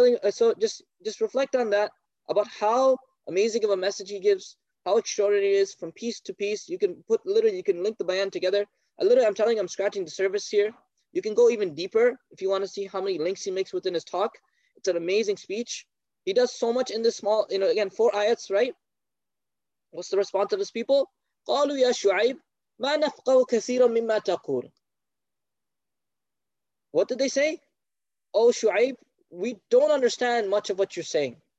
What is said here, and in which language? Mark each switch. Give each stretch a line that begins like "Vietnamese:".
English: So just reflect on that, about how amazing of a message he gives, how extraordinary it is from piece to piece. You can link the bayan together. I'm scratching the surface here. You can go even deeper if you want to see how many links he makes within his talk. It's an amazing speech. He does so much in this small, you know, again, 4 ayats, right? What's the response of his people?
Arabic: قَالُوا يَا شُعَيْبُ مَا نَفْقَهُ كَثِيرًا مِمَّا تَقُولُ.
English: What did they say? Oh, Shu'aib, we don't understand much of what you're saying.